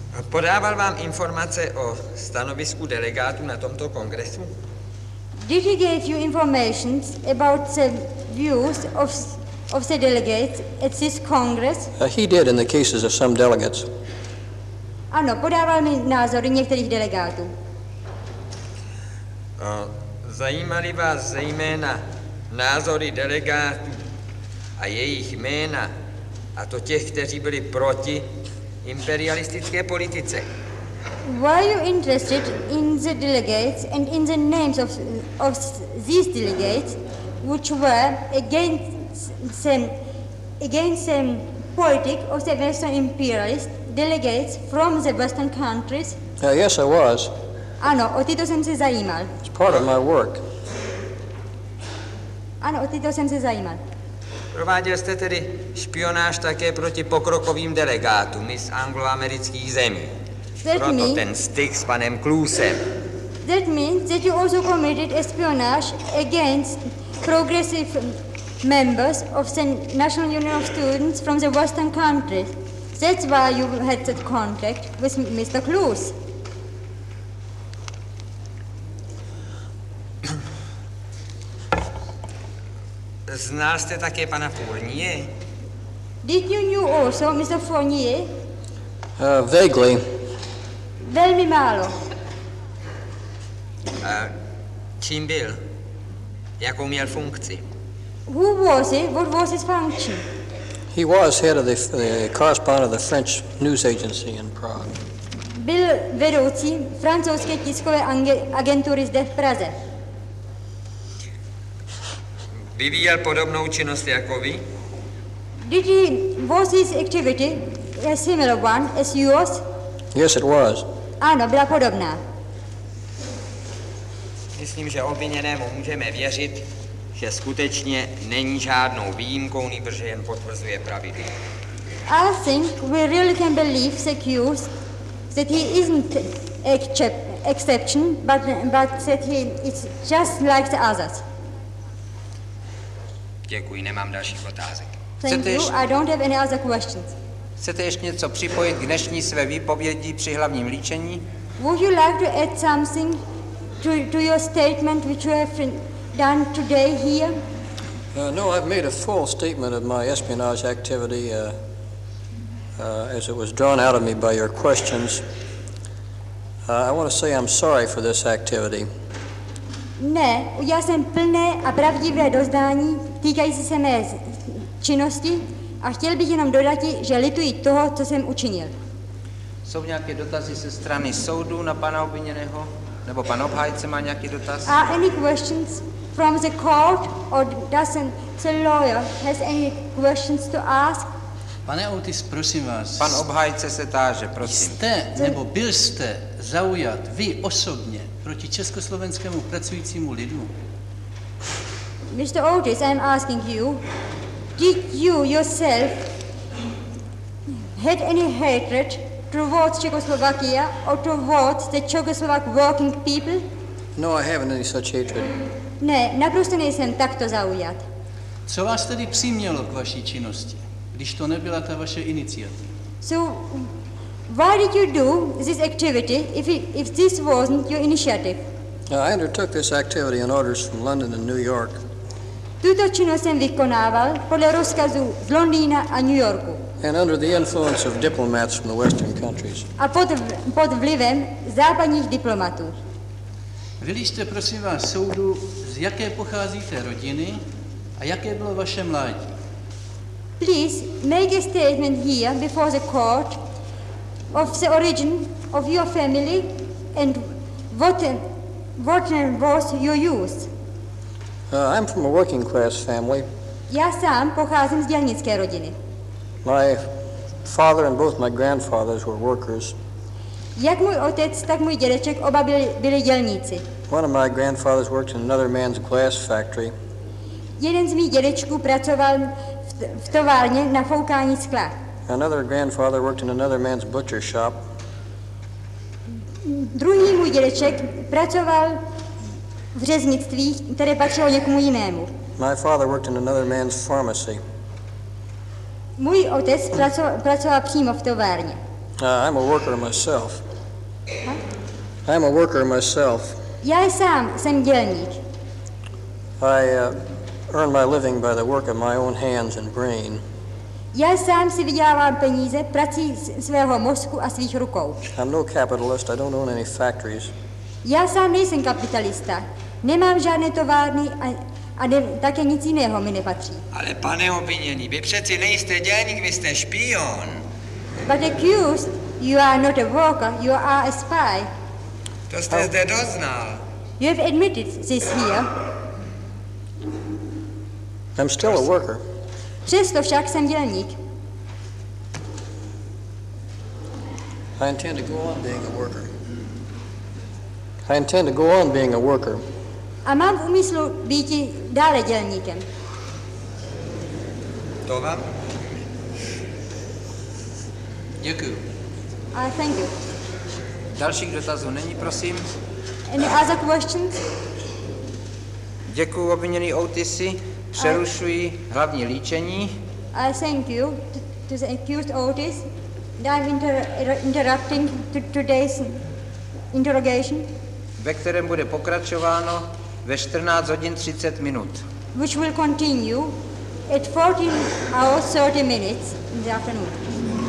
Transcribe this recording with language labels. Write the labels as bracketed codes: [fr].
[cs] Podával vám informace o stanovisku delegátů na tomto kongresu? [en] Did he give you information about the views of the delegates at this Congress? He did in the cases of some delegates. [cs] Ano, podával mi názory některých delegátů. Zajímaly vás zejména názory delegátů a jejich jména, a to těch, kteří byli proti imperialistické politice. Were you interested in the delegates and in the names of these delegates, which were against the politics of the Western imperialists, delegates from the Western countries? [en] Yes, I was. [cs] Ano, o tyto jsem se zajímal. [en] It's part of my work. [cs] Ano, o tyto jsem se zajímal. Prováděl jste tedy špionáž také proti pokrokovým delegátům z angloamerických zemí. Ten styk s panem Klusem. [en] That means that you also committed espionage against progressive members of the National Union of Students from the Western countries. That's why you had that contact with Mr. Klus. [cs] Znal jste také pana Fournier? [en] Did you knew also Mr. Fournier? Vaguely. [cs] Velmi málo. Čím byl? Jakou měl funkci? [en] Who was he? What was his function? He was head of the correspondent of the French news agency in Prague. [cs] Byl vedoucí francouzské tiskové agentury zde v Praze. Vyvíjel podobnou činnost jako vy? [en] Did he, was his activity a similar one as yours? Yes, it was. [cs] Ano, byla podobná. Myslím, že obviněnému můžeme věřit, že skutečně není žádnou výjimkou, nýbrž jen potvrzuje pravidly. [en] I think we really can believe the accused that he isn't exception, but that he is just like the others. [cs] Děkuji, nemám dalších otázek. [en] I don't have any other questions. [cs] Chcete ještě něco připojit k dnešní své výpovědi při hlavním líčení? [en] Would you like to add something to your statement which you have done today here? No, I've made a full statement of my espionage activity as it was drawn out of me by your questions. I want to say I'm sorry for this activity. [cs] Ne, já jsem plné a pravdivé dozdání týkající se mé činnosti. A chtěl bych jenom dodat, že lituji toho, co jsem učinil. Jsou nějaké dotazy ze strany soudu na pana obviněného? Nebo pan obhájce má nějaký dotaz? [en] Are any questions from the court or doesn't the lawyer has any questions to ask? [cs] Pane Otis, prosím vás. Pan obhájce se táže, prosím. Jste nebo byl jste zaujat vy osobně proti československému pracujícímu lidu? [en] Mr. Otis, I am asking you. Did you yourself had any hatred towards Czechoslovakia or towards the Czechoslovak working people? No, I haven't any such hatred. [cs] Ne, naprosto nejsem takto zaujat. Co vás tedy přimělo k vaší činnosti, když to nebyla ta vaše iniciativa? [en] So, why did you do this activity if this wasn't your initiative? I undertook this activity on orders from London and New York. [cs] Tuto činnost jsem vykonával podle rozkazu z Londýna a New Yorku. [en] And under the influence of diplomats from the Western countries. [cs] A pod vlivem západních diplomatů. Byli jste, prosím vás, soudu, z jaké pocházíte rodiny a jaké bylo vaše mládí? [en] Please make a statement here before the court of the origin of your family and what What was your youth? I'm from a working class family. [cs] Já sám pocházím z dělnické rodiny. [en] My father and both my grandfathers were workers. [cs] Jak můj otec, tak můj dědeček, oba byli dělníci. [en] One of my grandfathers worked in another man's glass factory. [cs] Jeden z mých dědečků pracoval v továrně na foukání skla. [en] Another grandfather worked in another man's butcher shop. [cs] Druhý můj dědeček pracoval v řeznictví, které patřilo někomu jinému. [en] My father worked in another man's pharmacy. [cs] Můj otec pracoval přímo v továrně. [en] I'm a worker myself. Huh? I'm a worker myself. [cs] Já sám jsem dělník. [en] I earn my living by the work of my own hands and brain. [cs] Já sám si vydělávám peníze prací svého mozku a svých rukou. [en] I'm no capitalist, I don't own any factories. [cs] Já sám nejsem kapitalista. Nemám žádné továrny a také nic jiného mi nepatří. Ale pane obviněný, vy přeci nejste dělník, vy jste špion. [en] But accused, you are not a worker, you are a spy. [cs] To jste zde doznal. [en] You have admitted this here. I'm still a worker. [cs] Přesto však jsem dělník. [en] I intend to go on being a worker. I intend to go on being a worker. [cs] A mám v úmyslu být dále dělníkem. To vám. Děkuju. [en] Thank you. [cs] Dalších dotazů není, prosím. [en] Any other questions? [cs] Děkuju, obviněný OTC. Přerušuji hlavní líčení. [en] I thank you to the accused Otis. I'm interrupting today's interrogation. [cs] Ve kterém bude pokračováno ve 14 hodin 30 minut. [en] Which will continue at 14 hours 30 minutes in the afternoon.